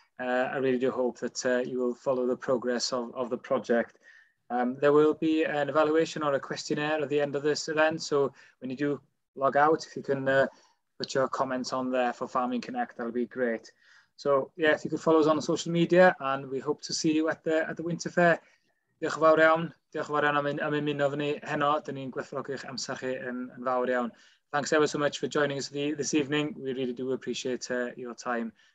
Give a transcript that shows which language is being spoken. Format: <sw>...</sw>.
<en>I really do hope that you will follow the progress of the project. There will be an evaluation or a questionnaire at the end of this event. So when you do log out, if you can put your comments on there for Farming Connect, that'll be great. So yeah, if you could follow us on social media, and we hope to see you at the Winter Fair.</en> <cy>Diolch yn fawr iawn. Diolch yn fawr iawn am ymuno fyny heno. Dyn ni'n gwerthfawrogi eich amser chi yn fawr iawn.</cy> <en>Thanks ever so much for joining us this evening. We really do appreciate your time.</en>